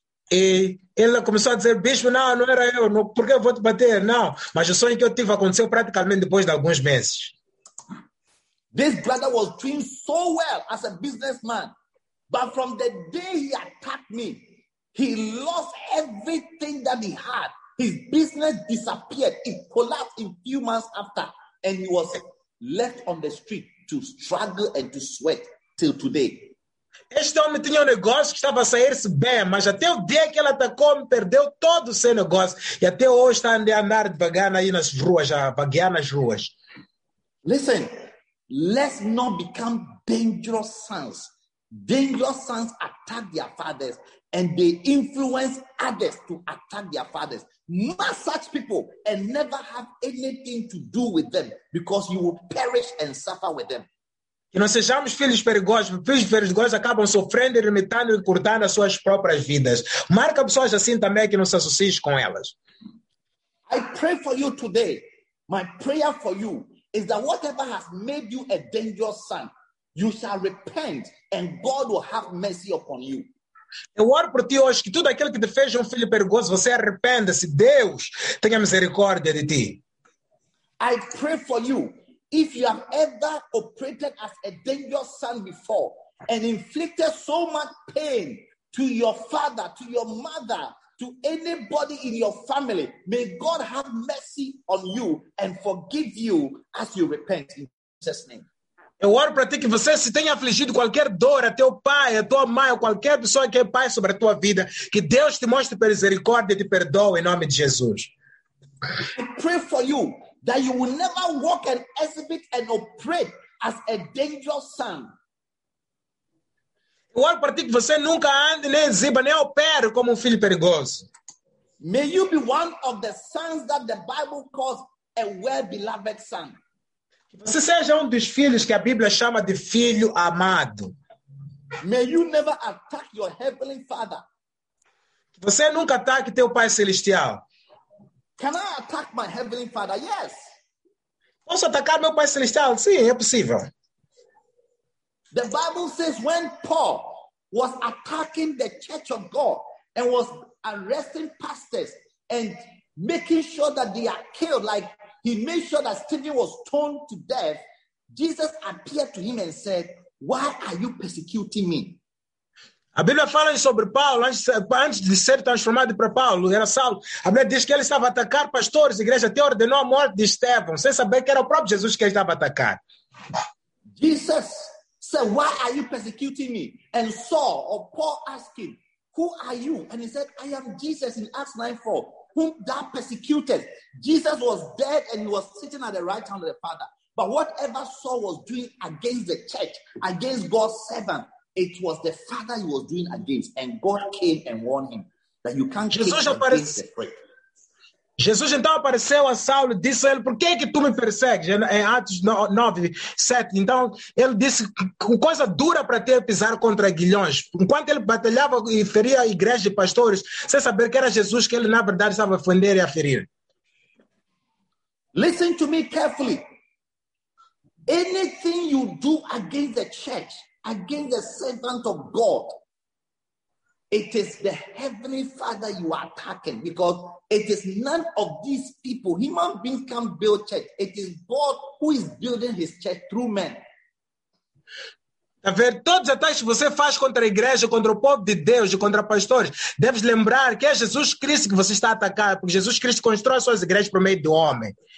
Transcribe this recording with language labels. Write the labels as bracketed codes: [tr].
[pt] E ele começou a dizer, bicho, não, não era eu, não, porque eu vou te bater, não. Mas o sonho que eu tive aconteceu praticamente depois de alguns meses. [en] This brother was doing so well as a businessman. But from the day he attacked me, he lost everything that he had. His business disappeared. It collapsed in few months after. And he was left on the street to struggle and to sweat till today. [pt] Este homem tinha um negócio que estava a sair-se bem, mas até o dia que ele atacou-me, perdeu todo o seu negócio. E até hoje está a andar devagar aí nas ruas, a vaguear nas ruas. [en] Listen, let's not become dangerous sons. Dangerous sons attack their fathers and they influence others to attack their fathers. Massage people and never have anything to do with them because you will perish and suffer with them. [pt] Que não sejamos filhos perigosos acabam sofrendo, remitando e cortando as suas próprias vidas. Marca pessoas assim também que não se associe com elas. [en] I pray for you today. My prayer for you is that whatever has made you a dangerous son, you shall repent and God will have mercy upon you. [pt] Eu oro por ti hoje que tudo aquilo que te fez um filho perigoso, você arrependa-se. Deus tenha misericórdia de ti. [en] I pray for you. If you have ever operated as a dangerous son before and inflicted so much pain to your father, to your mother, to anybody in your family, may God have mercy on you and forgive you as you repent in Jesus' name. [pt] Eu oro para ti que você se tenha afligido qualquer dor a teu pai, a tua mãe, ou qualquer pessoa que é pai sobre a tua vida, que Deus te mostre misericórdia e te perdoe em nome de Jesus. [en] I pray for you that you will never walk and exhibit and operate as a dangerous son. [pt] Eu oro para ti que você nunca ande, nem exiba, nem opere como filho perigoso. [en] May you be one of the sons that the Bible calls a well-beloved son. [pt] Que você seja dos filhos que a Bíblia chama de filho amado. [en] May you never attack your heavenly father. [pt] Que você nunca ataque teu pai celestial. [en] Can I attack my heavenly father? Yes. [pt] Posso atacar meu Pai Celestial? Sim, é possível. [en] The Bible says when Paul was attacking the church of God and was arresting pastors and making sure that they are killed, like he made sure that Stephen was stoned to death, Jesus appeared to him and said, "Why are you persecuting me?" [pt] A Bíblia fala sobre Paulo, antes de ser transformado para Paulo, era Saulo. A Bíblia diz que ele estava a atacar pastores, a igreja até ordenou a morte de Estevão, sem saber que era o próprio Jesus que ele estava a atacar. [en] Jesus said, "Why are you persecuting me?" And Saul, or Paul, asked him, "Who are you?" And he said, "I am Jesus," in Acts 9:4, whom thou persecuted. Jesus was dead and he was sitting at the right hand of the Father. But whatever Saul was doing against the church, against God's servant, it was the Father he was doing against, and God came and warned him that you can't Jesus kick against the prick. [pt] Jesus então apareceu a Saulo e disse a ele, por que é que tu me persegues? Em Atos 9, 7. Então ele disse, coisa dura para ter pisar contra aguilhões. Enquanto ele batalhava e feria a igreja de pastores, sem saber que era Jesus que ele na verdade estava a ofender e a ferir. [en] Listen to me carefully. Anything you do against the church, against the servant of God, it is the heavenly Father you are attacking, because it is none of these people. Human beings can't build church. It is God who is building his church through men. [pt] A ver, todos os ataques que você faz contra a igreja, contra o povo de Deus e contra pastores, deves lembrar que é Jesus Cristo que você está a atacar, porque Jesus Cristo constrói suas igrejas por meio do homem.